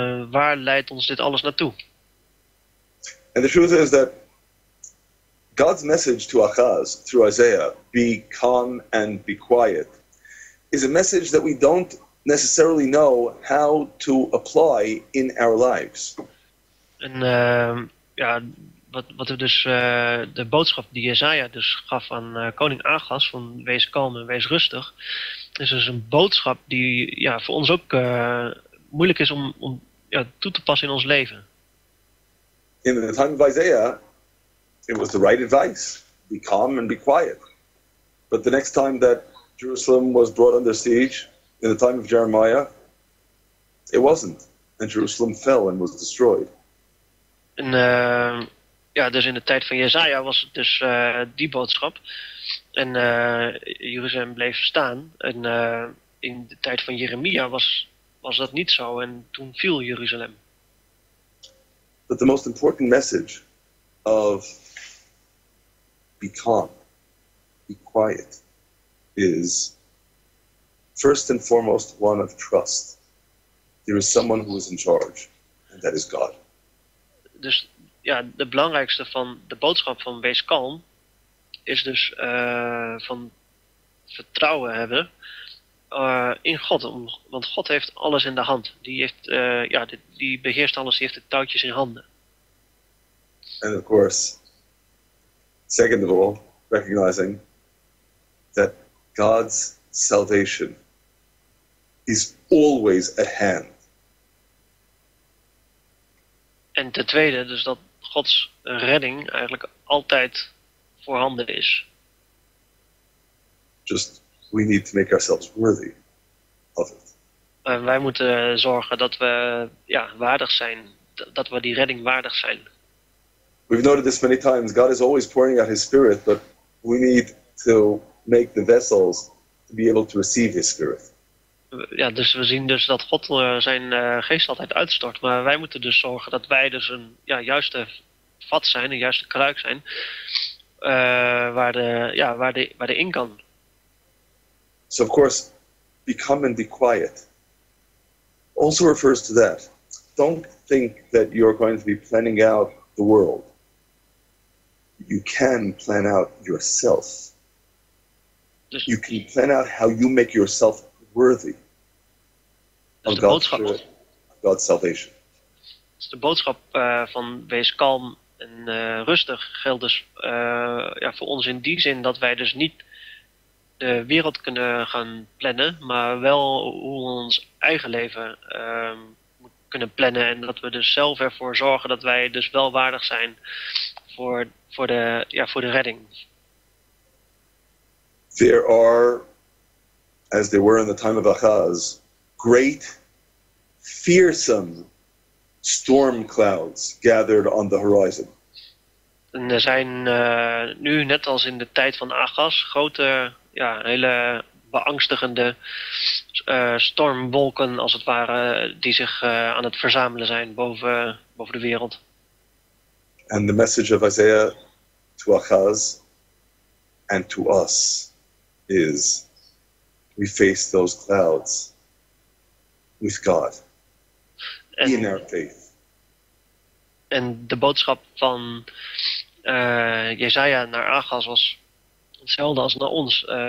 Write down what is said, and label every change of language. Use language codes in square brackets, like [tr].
[nl] Waar leidt ons dit alles naartoe? [en] And the truth is that God's message to Ahaz through Isaiah, be calm and be quiet, is a message that we don't necessarily know how to apply in our lives. [nl] En wat er dus de boodschap die Jesaja dus gaf aan koning Ahaz van wees kalm en wees rustig, is dus een boodschap die voor ons ook moeilijk is om toe te passen in ons leven. [en] In the time of Isaiah, it was the right advice: be calm and be quiet. But the next time that Jerusalem was brought under siege, in the time of Jeremiah, it wasn't. And Jerusalem fell and was destroyed. [nl] En dus in de tijd van Jesaja was het dus die boodschap. En Jeruzalem bleef staan. En in de tijd van Jeremia was dat niet zo. En toen viel Jeruzalem. [en] But the most important message of be calm, be quiet, is first and foremost, one of trust. There is someone who is in charge, and that is God. [nl] Dus de belangrijkste van de boodschap van wees kalm is dus van vertrouwen hebben in God. Want God heeft alles in de hand. Die heeft die beheerst alles, die heeft de touwtjes in handen. [en] And of course, second of all, recognizing that God's salvation is always at hand. [nl] En ten tweede, dus dat Gods redding eigenlijk altijd voorhanden is. [en] Just we need to make ourselves worthy of it. [nl] En wij moeten zorgen dat we waardig zijn, dat we die redding waardig zijn. [en] We've noted this many times. God is always pouring out His Spirit, but we need to make the vessels to be able to receive His Spirit. [nl] Ja, dus we zien dus dat God zijn geest altijd uitstort. Maar wij moeten dus zorgen dat wij dus een juiste vat zijn, een juiste kruik zijn, waar de in kan. [en] So of course, be calm and be quiet also refers to that. Don't think that you're going to be planning out the world. You can plan out yourself. Dus you can plan out how you make yourself worthy. [nl] Dus de boodschap, [en] God's salvation. [nl] Dus de boodschap van wees kalm en rustig geldt dus voor ons in die zin dat wij dus niet de wereld kunnen gaan plannen, maar wel hoe we ons eigen leven kunnen plannen en dat we dus zelf ervoor zorgen dat wij dus wel waardig zijn voor de redding. [en] There are, as there were in the time of Ahaz, great, fearsome storm clouds gathered on the horizon. [nl] En er zijn nu, net als in de tijd van Ahaz, grote, hele beangstigende stormwolken, als het ware, die zich aan het verzamelen zijn boven de wereld. [en] And the message of Isaiah to Ahaz and to us is, we face those clouds with God, and, in our faith. [nl] En de boodschap van Jesaja naar Ahaz was hetzelfde als naar ons.